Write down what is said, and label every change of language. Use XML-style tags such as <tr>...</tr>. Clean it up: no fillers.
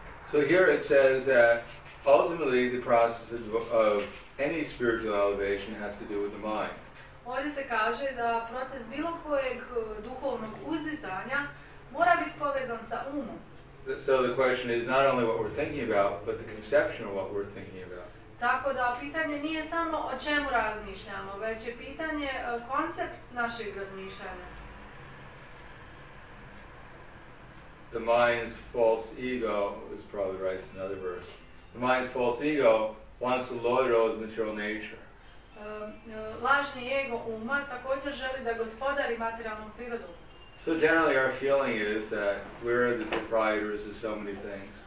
<en>So here it says that ultimately the process of any spiritual elevation has to do with the mind.</en> <bs>Ovdje se kaže da proces bilo kojeg duhovnog uzdizanja mora biti povezan sa umom.</bs> <en>So the question is not only what we're thinking about, but the conception of what we're thinking about.</en> <bs>Tako da pitanje nije samo o čemu razmišljamo, već je pitanje koncept našeg razmišljanja.</bs> <en>The mind's false ego is probably right in another verse. The mind's false ego wants to lord over the material nature.</en> <bs>Lažni ego uma također želi da gospodari materijalnom prirodom.</bs> <en>So generally our feeling is that we're the proprietors of so many things.</en>